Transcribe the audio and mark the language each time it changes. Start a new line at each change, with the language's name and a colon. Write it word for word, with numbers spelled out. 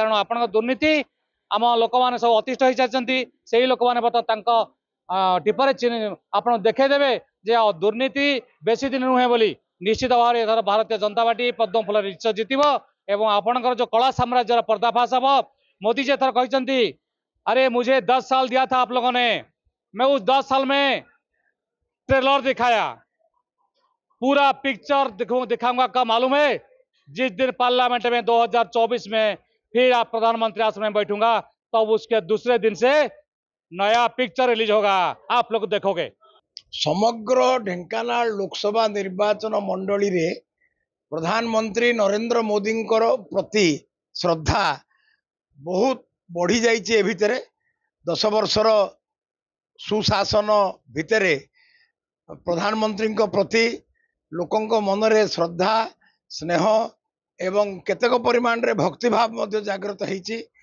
Odia: କାରଣ ଆପଣଙ୍କ ଦୁର୍ନୀତି ଆମ ଲୋକମାନେ ସବୁ ଅତିଷ୍ଠ ହୋଇସାରିଛନ୍ତି। ସେଇ ଲୋକମାନେ ବର୍ତ୍ତମାନ ତାଙ୍କ ଅ, ଟିପରେ ଚିହ୍ନି- ଆପଣ ଦେଖେଇଦେବେ ଯେ ଅ, ଦୁର୍ନୀତି ବେଶୀ ଦିନ ନୁହେଁ ବୋଲି। ନିଶ୍ଚିତ ଭାବରେ ଏଥର ଭାରତୀୟ ଜନତା ପାର୍ଟି ପଦ୍ମ ଫୁଲରେ ନିଶ୍ଚୟ ଜିତିବ ଏବଂ ଆପଣଙ୍କର ଯେଉଁ କଳା ସାମ୍ରାଜ୍ୟର ପର୍ଦ୍ଦାଫାଶ ହବ।
Hindi: ମୋଦି जी एथर कहते अरे मुझे दस साल दिया था आप लोगों ने, मैं उस दस साल में ट्रेलर दिखाया, पूरा पिक्चर दिखू दिखाऊंगा। कब मालूम है? जिस दिन पार्लियामेंट में दो हज़ार चौबीस में फिर आप प्रधानमंत्री आसन में बैठूंगा, तब तो उसके दूसरे दिन से नया पिक्चर रिलीज होगा, आप लोग देखोगे।
Odia: ସମଗ୍ର ଢେଙ୍କାନାଳ ଲୋକସଭା ନିର୍ବାଚନ ମଣ୍ଡଳୀରେ ପ୍ରଧାନମନ୍ତ୍ରୀ ନରେନ୍ଦ୍ର ମୋଦିଙ୍କର ପ୍ରତି ଶ୍ରଦ୍ଧା ବହୁତ ବଢ଼ିଯାଇଛି। ଏ ଭିତରେ ଦଶ ବର୍ଷର ସୁଶାସନ ଭିତରେ ପ୍ରଧାନମନ୍ତ୍ରୀଙ୍କ ପ୍ରତି ଲୋକଙ୍କ ମନରେ ଶ୍ରଦ୍ଧା, ସ୍ନେହ ଏବଂ କେତେକ ପରିମାଣରେ ଭକ୍ତିଭାବ ମଧ୍ୟ ଜାଗ୍ରତ ହେଇଛି।